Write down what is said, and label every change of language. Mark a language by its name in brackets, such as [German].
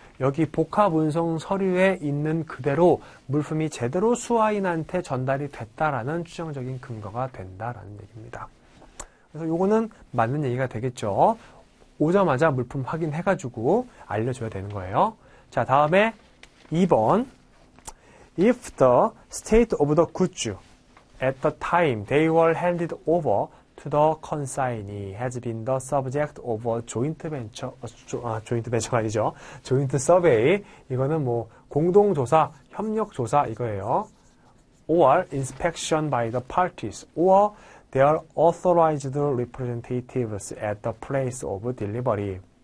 [Korean] 여기 복합 운송 서류에 있는 그대로 물품이 제대로 수화인한테 전달이 됐다라는 추정적인 근거가 된다라는 얘기입니다. 그래서 요거는 맞는 얘기가 되겠죠. 오자마자 물품 확인해가지고 알려줘야 되는 거예요. 자, 다음에 2번. [English] If the state of the goods at the time they were handed over to the consignee has been the subject of a joint venture, [Korean] 조인트 벤처가 아니죠. [English] 조인트 서베이. [Korean] 이거는 뭐 공동조사, 협력조사 이거예요. [English] Or inspection by the parties or their authorized representatives at the place of delivery.